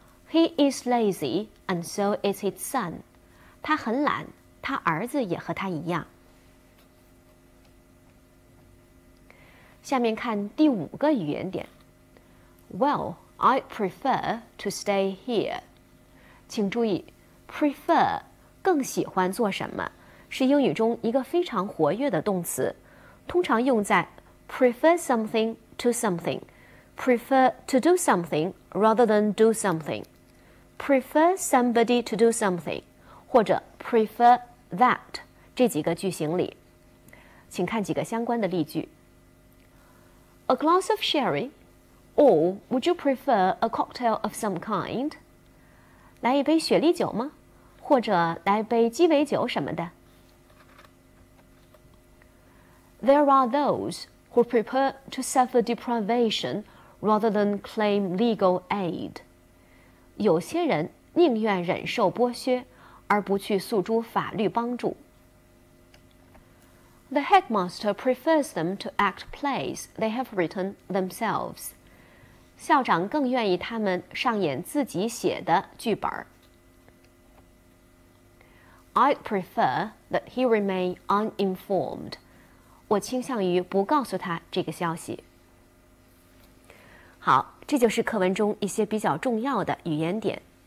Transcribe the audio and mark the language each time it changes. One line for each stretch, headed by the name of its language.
English: He is lazy, and so is his son.
Chinese: 他很懒，他儿子也和他一样。下面看第五个语言点。
English: Well, I prefer to stay here.
Chinese: 请注意 prefer 更喜欢做什么，是英语中一个非常活跃的动词，通常用在
English: prefer something to something, prefer to do something
Chinese: rather than do something,
English: prefer somebody to do something,
Chinese: 或者 preferthat 这几个句型里，请看几个相关的例句。
English: A glass of sherry, or would you prefer a cocktail of some kind?
Chinese: 来一杯雪莉酒吗？或者来一杯鸡尾酒什么的。
English: There are those who prefer to suffer deprivation rather than claim legal aid.
Chinese: 有些人宁愿忍受剥削，而不去诉诸法律帮助。
English: The headmaster prefers them to act plays they have written themselves.
Chinese: 校长更愿意他们上演自己写的剧本。
English: I prefer that he remain uninformed.
Chinese: 我倾向于不告诉他这个消息。好，这就是课文中一些比较重要的语言点。